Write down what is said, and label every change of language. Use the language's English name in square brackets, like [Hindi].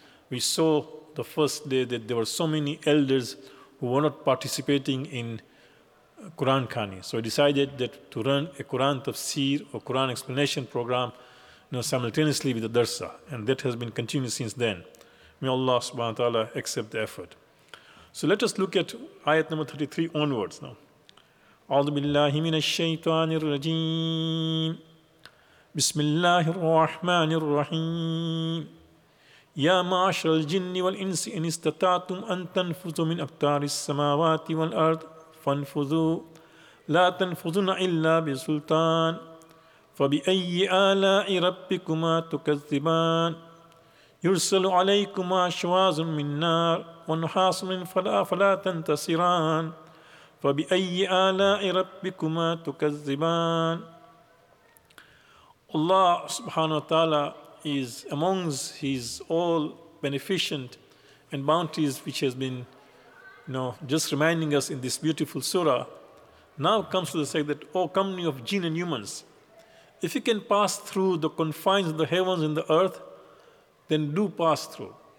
[English] We saw the first day that there were so many elders who were not participating in Quran Khani. So we decided that to run a Quran tafsir or Quran explanation program, you know, simultaneously with the Darsa, and that has been continued since then. May Allah subhanahu wa ta'ala accept the effort. So let us look at ayat number 33 onwards now. [Arabic] أعوذ بالله من الشيطان الرجيم بسم الله الرحمن الرحيم يا معشر الجن والإنس إن استطعتم أن تنفذوا من أقطار السماوات والأرض فانفذوا لا تنفذون إلا بسلطان فبأي آلاء ربكما تكذبان يرسل عليكما شواظ من نار ونحاس فلا تنتصران فَبِأَيِّ آلَاءِ رَبِّكُمَا تُكَذِّبَانِ. [English] Allah subhanahu wa ta'ala is amongst his all beneficent and bounties which has been, you know, just reminding us in this beautiful surah. Now comes to the say that, O company of jinn and humans, if you can pass through the confines of the heavens and the earth, then do pass through.